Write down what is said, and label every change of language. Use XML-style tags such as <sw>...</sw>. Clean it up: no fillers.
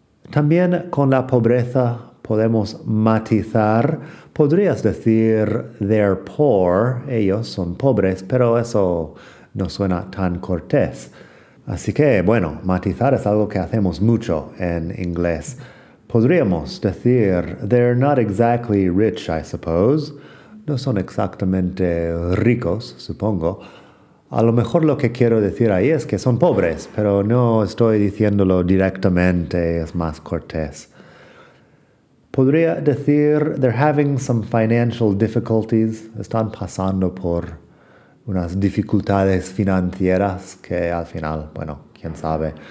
<es>También con la pobreza podemos matizar. Podrías decir,</es> <en>they're poor,</en> <es>ellos son pobres, pero eso no suena tan cortés. Así que, bueno, matizar es algo que hacemos mucho en inglés. Podríamos decir,</es> <en>they're not exactly rich, I suppose.</en> <es>No son exactamente ricos, supongo. A lo mejor lo que quiero decir ahí es que son pobres, pero no estoy diciéndolo directamente, es más cortés. Podría decir,</es> <en>they're having some financial difficulties.</en> <es>Están pasando por unas dificultades financieras que al final, bueno, quién sabe.</es>